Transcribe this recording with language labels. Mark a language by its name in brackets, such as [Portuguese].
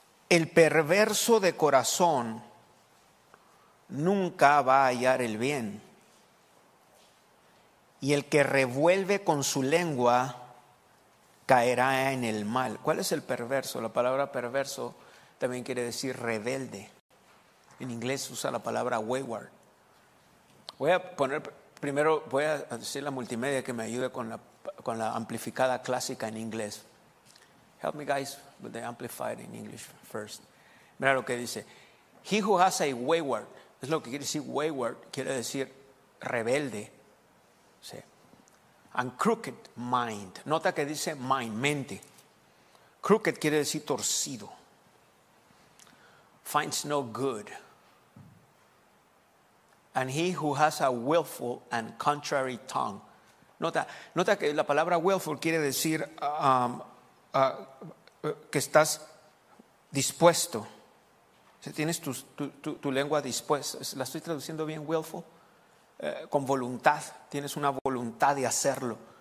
[Spanish] El perverso de corazón nunca va a hallar el bien, y el que revuelve con su lengua caerá en el mal. ¿Cuál es el perverso? La palabra perverso también quiere decir rebelde. En inglés usa la palabra wayward. Voy a poner primero, voy a decir la multimedia que me ayude con la amplificada clásica en inglés. [English] Help me guys with the amplified in English first. [Spanish] Mira lo que dice. [English] He who has a wayward, [Spanish] es lo que quiere decir wayward, quiere decir rebelde. Sí. [English] And crooked mind. [Spanish] Nota que dice mind, mente. Crooked quiere decir torcido. [English] Finds no good. And he who has a willful and contrary tongue. [Spanish] Nota que la palabra willful quiere decir que estás dispuesto. O sea, tienes tu lengua dispuesta. ¿La estoy traduciendo bien, willful? Con voluntad, tienes una voluntad de hacerlo.